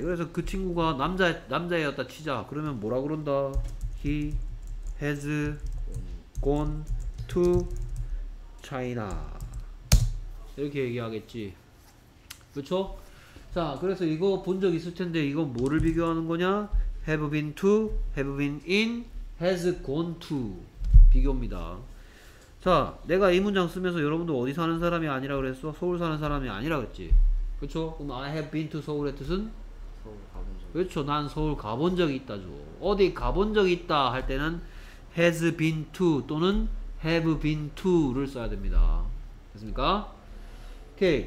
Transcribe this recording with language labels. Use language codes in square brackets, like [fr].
[ko] 그래서 그 친구가 남자였다 치자. 그러면 뭐라 그런다? [en] He has gone to China. [ko] 이렇게 얘기하겠지. 그쵸? 자, 그래서 이거 본 적 있을 텐데 이건 뭐를 비교하는 거냐? [en] Have been to, have been in, has gone to 비교입니다. [ko] 자, 내가 이 문장 쓰면서 여러분도 어디 사는 사람이 아니라 그랬어? 서울 사는 사람이 아니라 그랬지. 그쵸? 그럼 I have been to 서울의 뜻은? 그렇죠. 난 서울 가본 적이 있다죠. 어디 가본 적이 있다 할 때는 has been to 또는 have been to를 써야 됩니다. 됐습니까? 오케이.